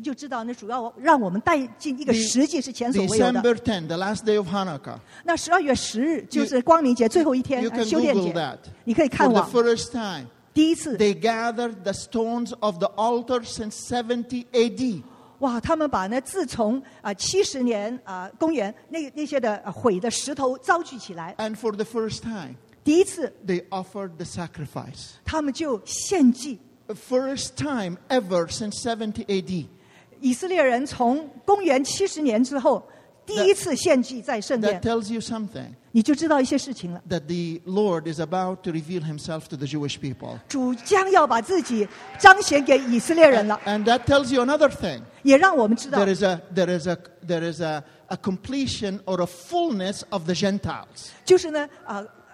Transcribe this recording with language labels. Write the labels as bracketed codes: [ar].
[zh] 那个只是影子，但是我们看见这个在以色列的影子，就知道那主要让我们带进一个实际是前所未有的。 [en] December 10, the last day of Hanukkah. [zh] 那十二 月10日就是光明节最后一天，修炼节。 [en] You can Google that. [zh] 你可以看网。 [en] For the first time, [zh] 第一次, [en] they gathered the stones of the altar since 70 AD. [zh] 哇，他们把那自从七十年公元那些的毁的石头召聚起来。 [en] And for the first time, [zh] 第一次, [en] they offered the sacrifice. [zh] 他们就献祭。 [en] First time ever since 70 AD. [zh] 以色列人从公元七十年之后。 [en] That tells you something. That the Lord is about to reveal himself to the Jewish people. And that tells you another thing. There is a completion or a fullness of the Gentiles.